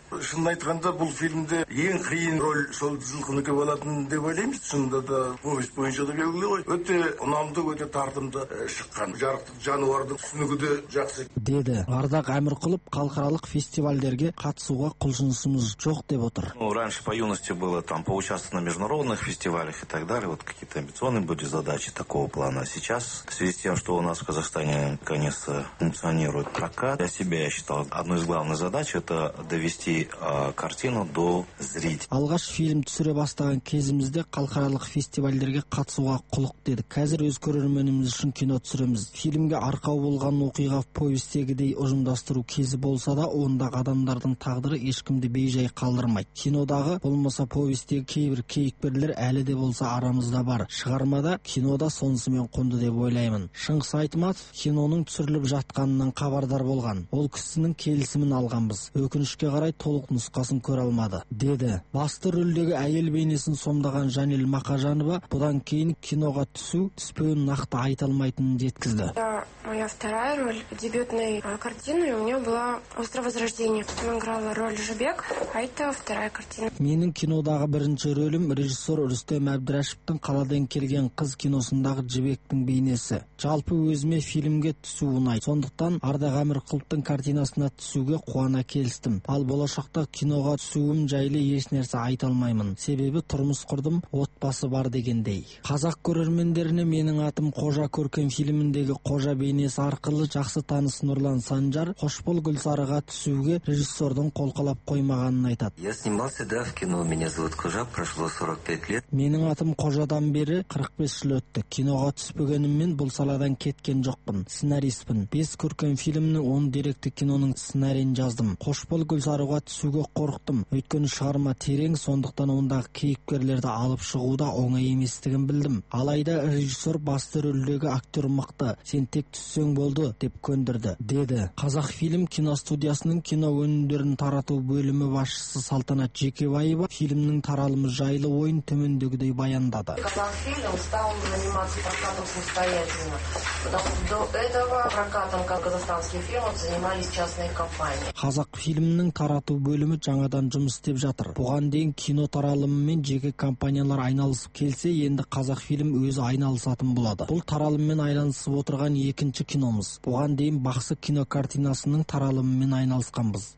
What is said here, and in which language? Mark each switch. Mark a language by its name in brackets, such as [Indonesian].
[Kazakh] Шын айтқанда, бұл фильмде ең қиын роль сол жылқыныкі болатын деп ойлаймыз. Шынында да повесть бойынша да белгілі ғой. Өте ұнамды, өте тартымды шыққан жарықтық жануардың түсінігі де жақсы деді Ардақ Әмірқұлов. Халықаралық фестивальдерге қатысуға құлшынысымыз жоқ деп отыр. [Russian] Раньше по юности было там поучаствовать на международных фестивалях и так далее, вот какие-то амбициозные были задачи такого плана. Сейчас в связи с тем, что у нас в Казахстане наконец-то функционирует прокат, для себя я считал одной из главных задач — это довести картину до зрителей. [Kazakh] Алғаш фильм түсіре бастаған кезімізде халықаралық фестивальдерге қатысуға құлық деді. Қазір өз көрерменіміз үшін кино түсіреміз. Фильмге арқау болған оқиға повестегідей ұжымдастыру кезі болса да, ондағы адамдардың тағдыры ешкімді бейжай қалдырмайды. Кинодағы болмаса повестегі кейбір кейіпкерлер әлі де болса арамызда бар. Шығармада кинода сонысымен қонды деп ойлаймын. Шыңғыс Айтматов киноның түсіріліп жатқанынан хабардар болған. Ол кісінің келісімін алғанбыз. Өкінішке қарай толық нұсқасын көре алмады, деді. Басты рөлдегі әйел бейнесін сомдаған Жанел Мақажанова бұдан кейін киноға түсу түспеуін нақты айта алмайтынын жеткізді. [Russian] Моя вторая роль, дебютная картина, у меня была «Остров возрождения». Потом играла роль Жубек, а это вторая картина. [Kazakh] Менің кинодағы бірінші рөлім режиссер Рустем Әбдірашевтің «Қаладан келген қыз» киносындағы Жібектің бейнесі. Жалпы өзіме фильмге түсу ұнайды. Сондықтан Ардақ Әмірқұловтың картинасына түсуге қуана келістім. Ал болашақта киноға түсуім жайлы ешнәрсе айта алмаймын. Себебі тұрмыс құрдым, отбасы бар дегендей. Қазақ көрермендеріне менің атым «Қожа» көркем фильміндегі қожа бейнесі арқылы жақсы таныс Нұрлан Санжар «Қош бол, Гүлсарыға» түсуге режиссердің қол қалап қоймағанын айтады. [Russian] Я снимался, да, в кино. Меня зовут Қожа, прошло 45 лет. [Kazakh] Менің атым «Қожадан» бері 45 жыл өтті. Киноға түспегеніммен бұл саладан кеткен жоқпын. Сценаристпін. 5 көркем фильмнің 10 деректі киноның сценарийін жаздым. «Қош бол, Гүлсарыға» түсуге қорықтым. Өйткені шығарма терең, сондықтан ондағы кейіпкерлерді алып шығуда оңай еместігін білдім. Алайда режиссер басты рөлдегі актер мықты, сен тек түссең болды деп көндірді, деді. Қазақфильм киностудиясының кино өнімдерін тарату бөлімі басшысы Салтанат Жекебаева фильмнің таралымы жайлы ойын төмендегідей баяндады. [Russian] Казахфильм стал заниматься прокатом самостоятельно. До этого прокатом казахстанских фильмов занимались частные компании. [Kazakh] Қазақфильмнің тарату бөлімі жаңадан жұмыс істеп жатыр. Бұған дейін кино таралымымен жеке компаниялар айналысып келсе, енді Қазақфильм өзі айналысатын болады. Бұл таралыммен айналысып отырған екінші киномыз. Бұған дейін Бақсы кинокартинасының таралымымен айналысқанбыз.